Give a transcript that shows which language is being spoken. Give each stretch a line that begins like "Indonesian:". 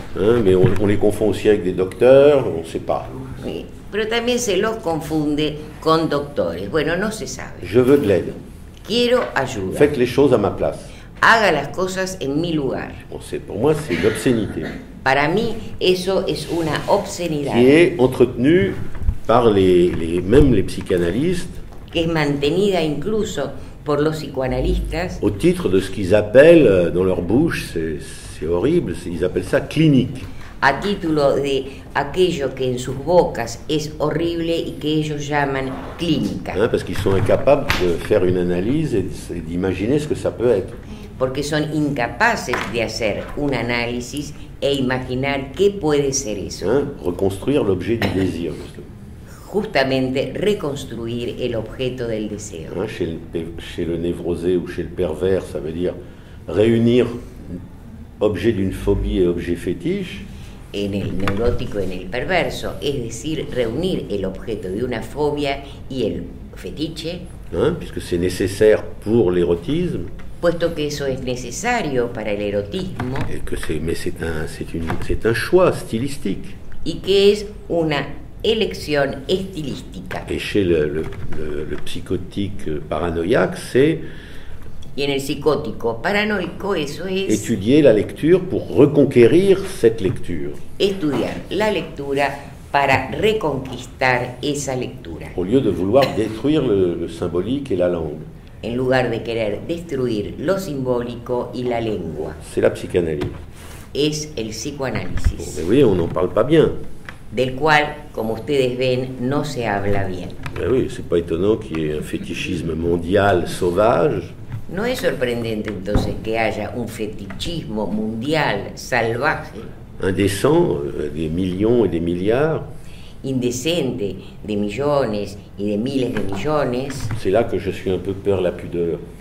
French: Hein, mais on les confond aussi avec des docteurs, on ne sait pas.
Spanish: Pero también se los confunde con doctores. Bueno, no se sabe.
French: Je veux de l'aide.
Spanish: Quiero ayuda.
French: Faites les choses à ma place.
Spanish: Haga las cosas en mi lugar.
French: Bon, pour moi, c'est une obscénité.
Spanish: Para mí, eso es una obscenidad.
French: Qui est entretenue par les psychanalystes.
Spanish: Que es mantenida incluso por los psicoanalistas.
French: Au titre de ce qu'ils appellent, dans leur bouche, c'est horrible, ils appellent ça clinique.
Spanish: A título de aquello que en sus bocas es horrible y que ellos llaman clínica.
French: Hein, parce qu'ils sont incapables de faire une analyse et d'imaginer ce que ça peut être.
Spanish: Porque son incapaces de hacer un análisis e imaginar qué puede ser eso.
French: Hein, reconstruire l'objet du désir.
Spanish: Justamente reconstruir el objeto del deseo.
French: Hein, chez le névrosé ou chez le pervers, ça veut dire réunir objet d'une phobie et objet fétiche.
Spanish: En el neurótico, en el perverso, es decir, reunir el objeto de una fobia y el fetiche.
French: Hein, puisque c'est nécessaire pour l'érotisme.
Spanish: puesto que eso es necesario para el erotismo.
French: Et que c'est, mais c'est un, c'est un choix stylistique.
Spanish: Y que es una
French: élection stylistique. Et chez le psychotique paranoïaque, c'est.
Spanish: Y en el psicótico paranoico, eso es.
French: Étudier la lecture pour reconquérir cette lecture.
Spanish: Estudiar la lectura para reconquistar esa lectura.
French: Au lieu de vouloir détruire le symbolique et la langue.
Spanish: En lugar de querer destruir lo simbólico y la lengua.
French: C'est la psychanalyse.
Spanish: Es el psicoanálisis.
French: Bon, mais voyez, on n'en parle pas bien.
Spanish: Del cual, como ustedes ven, no se habla bien.
French: Mais oui, c'est pas étonnant qu'il y ait un fétichisme mondial sauvage.
Spanish: No es sorprendente entonces que haya un fetichismo mundial salvaje.
French: Indécent, des millions et des milliards.
Spanish: Indécente, de millones y de miles de millones.
French: C'est là que je suis un peu peur la pudeur.